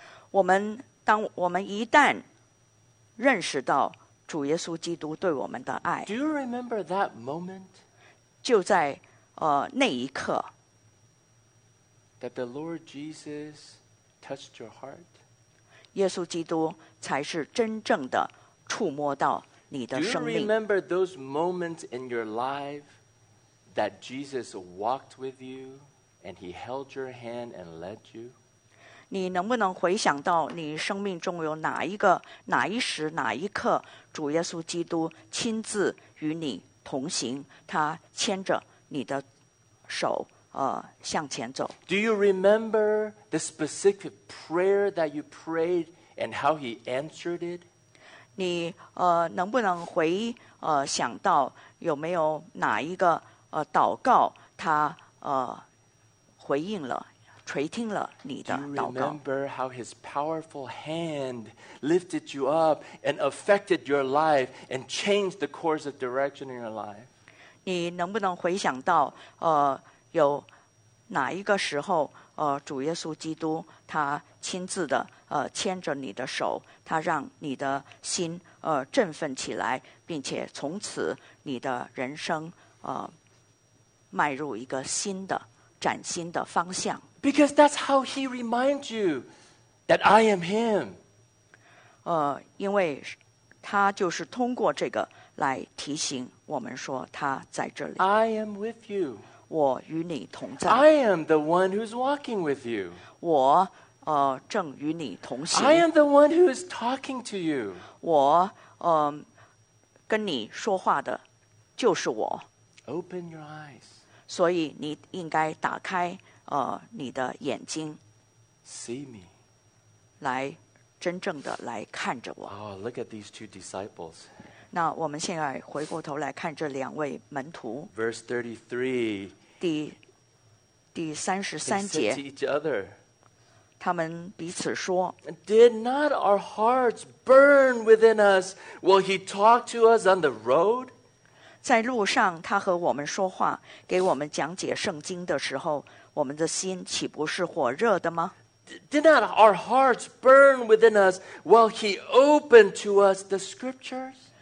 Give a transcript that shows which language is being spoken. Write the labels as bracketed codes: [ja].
[zh] 我们一旦认识到主耶稣基督对我们的爱 [en] Do you remember that moment? [zh] 就在那一刻 [en] That the Lord Jesus touched your heart [zh] 耶稣基督才是真正的触摸到你的生命。 [en] Do you remember those moments in your life that Jesus walked with you and he held your hand and led you? [zh] 你能不能回想到你生命中有哪一时哪一刻主耶稣基督亲自与你同行他牵着你的手向前走 [en] Do you remember the specific prayer that you prayed and how he answered it? [zh] 你能不能回想到有没有哪一个祷告他回应了垂听了你的祷告 [en] Do you remember how his powerful hand lifted you up and affected your life and changed the course of direction in your life? [zh] 你能不能回想到有哪一个时候主耶稣基督他亲自的牵着你的手他让你的心振奋起来并且从此你的人生迈入一个新的崭新的方向 [en] Because that's how he reminds you that I am him [zh] 因为他就是通过这个来提醒我们说他在这里 [en] I am with you [zh] 我与你同在 [en] I am the one who's walking with you [zh] 我正与你同行 [en] I am the one who is talking to you [zh] 我跟你说话的就是我 [en] Open your eyes [zh] 所以你应该打开你的眼睛 [en] See me [zh] 来真正的来看着我 [en] Oh, look at these two disciples [zh] 那我们现在回过头来看这两位门徒 [en] Verse 33 [zh] 第三十三节 [en] They said to each other, [zh] 他们彼此说 [en] Did not our hearts burn within us while he talked to us on the road? [zh] 在路上他和我们说话给我们讲解圣经的时候我们的心岂不是火热的吗 [en] Did not our hearts burn within us while he opened to us the scriptures?